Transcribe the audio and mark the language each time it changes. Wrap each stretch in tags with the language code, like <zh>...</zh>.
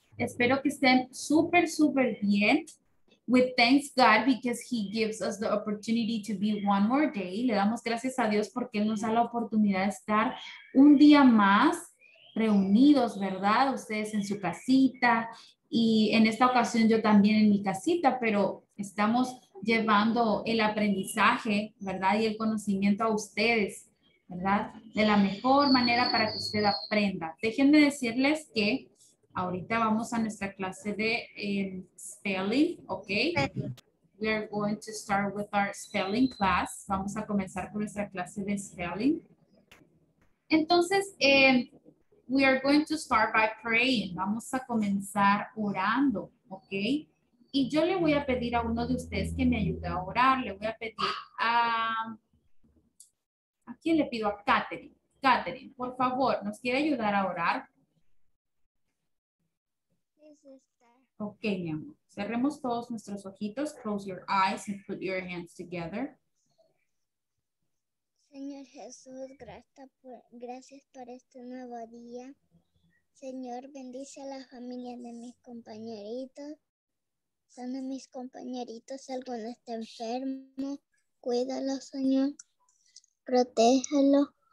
<es>Espero que estén super, super bien.</es> <en>We thank God because He gives us the opportunity to be one more day.</en> <es>Le damos gracias a Dios porque Él nos da la oportunidad de estar un día más reunidos, ¿verdad? Ustedes en su casita y en esta ocasión yo también en mi casita, pero estamos llevando el aprendizaje, ¿verdad? Y el conocimiento a ustedes, ¿verdad? De la mejor manera para que usted aprenda. Déjenme decirles que ahorita vamos a nuestra clase de spelling, ¿ok?</es> <en>We are going to start with our spelling class.</en> <es>Vamos a comenzar con nuestra clase de spelling. Entonces,</es> <en>we are going to start by praying.</en> <es>Vamos a comenzar orando, ¿ok? Y yo le voy a pedir a uno de ustedes que me ayude a orar. Le voy a pedir a... ¿A quién le pido? A Katherine. Katherine, por favor, ¿nos quiere ayudar a orar? Ok, mi amor. Cerremos todos nuestros ojitos.</es> <en>Close your eyes and put your hands together.</en> <es>Señor Jesús, gracias por este nuevo día. Señor, bendice a la familia de mis compañeritos. Sana a mis compañeritos si alguno está enfermo. Cuídalo, Señor. Protéjalo.</es>